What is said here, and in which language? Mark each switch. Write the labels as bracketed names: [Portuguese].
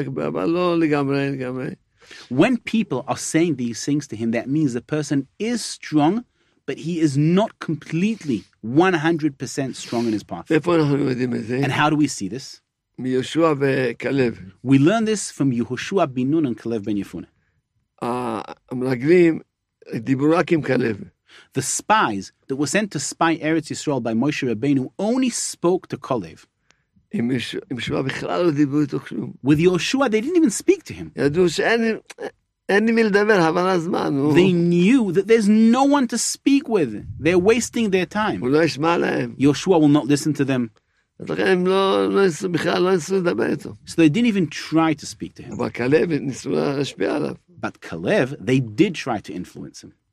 [English] When people are saying these things to him, that means the person is strong, but he is not completely 100% strong in his path. And how do we see this? [Hebrew] מיהושע וקלב. [English] We learn this from יהושע בן נון and קלב בן יפונה. [Hebrew] המרגלים דיברו רק עם קלב. [English] The spies that were sent to spy Eretz Yisrael by Moshe Rabbeinu only spoke to Kalev. [Hebrew] עם יהושע בכלל לא דיברו איתו כלום. [English] With יהושע, they didn't even speak to him. [Hebrew] ידעו שאין מי לדבר, אבל הזמן. [English] They knew that there's no one to speak with. They're wasting their time. [Hebrew] הוא לא ישמע להם. [English] יהושע will not listen to them. So they didn't even try to speak to him. But Kalev, they did try to influence him.